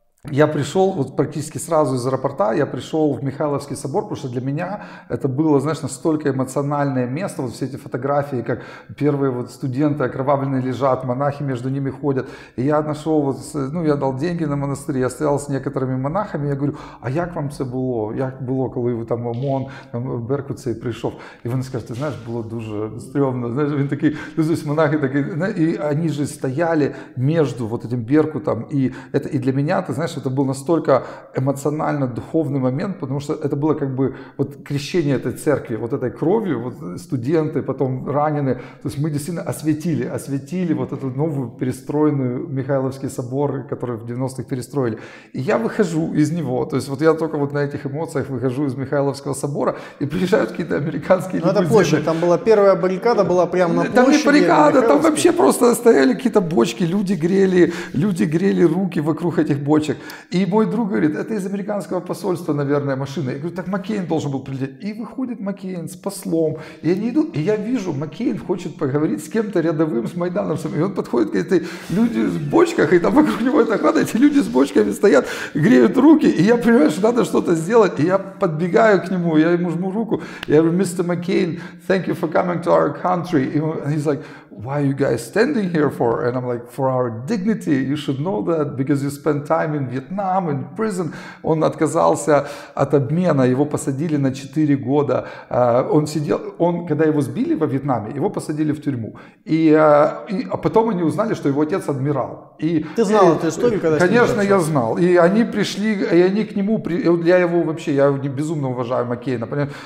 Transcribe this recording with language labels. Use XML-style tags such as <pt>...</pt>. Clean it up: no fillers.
<ru>Я пришел вот практически сразу из аэропорта, я пришел в Михайловский собор, потому что для меня это было, знаешь, настолько эмоциональное место, вот все эти фотографии, как первые вот студенты окровавленные лежат, монахи между ними ходят. И я нашел, вот, ну, я дал деньги на монастырь, я стоял с некоторыми монахами, я говорю,</ru> <uk>а як вам це було? Як було, коли ви там ОМОН, Беркутцей прийшов? И вони скажуть, ти знаєш,</uk> <ru>було дуже стрьомно, знаєш, він такий, ну, тобто монахи такі, і вони ж стояли між вот этим Беркутом, і для мене, ти знаєш, знаешь, это был настолько эмоционально духовный момент, потому что это было как бы вот крещение этой церкви, вот этой кровью, вот студенты, потом ранены, то есть мы действительно осветили вот эту новую перестроенную Михайловский собор, который в 90-х перестроили. И я выхожу из него, то есть вот я только вот на этих эмоциях выхожу из Михайловского собора, и приезжают какие-то американские люди. Ну это площадь, там была первая баррикада, была прямо на там площади. Там не баррикада, там вообще просто стояли какие-то бочки, люди грели руки вокруг этих бочек. И мой друг говорит, это из американского посольства, наверное, машина. Я говорю, так Маккейн должен был прилететь. И выходит Маккейн с послом. И они идут, и я вижу, Маккейн хочет поговорить с кем-то рядовым, с майдановцем. И он подходит к этой люди в бочках, и там вокруг него это охрана, эти люди с бочками стоят, греют руки. И я понимаю, что надо что-то сделать. И я подбегаю к нему, я ему жму руку. Я говорю, мистер Маккейн,</ru> <en>thank you for coming to our country.</en> <ru>И он говорит,</ru> <en>why are you guys standing here for? And I'm like, for our dignity, you should know that, because you spend time in Vietnam, in prison.</en> <ru>Он отказался от обмена, его посадили на 4 года. Он сидел, он, когда его сбили во Вьетнаме, его посадили в тюрьму. А потом они узнали, что его отец адмирал. И, ты знал эту историю, когда конечно, я знал. И они пришли, и они к нему, я его вообще, я безумно уважаю Маккейна, понимаешь?</ru>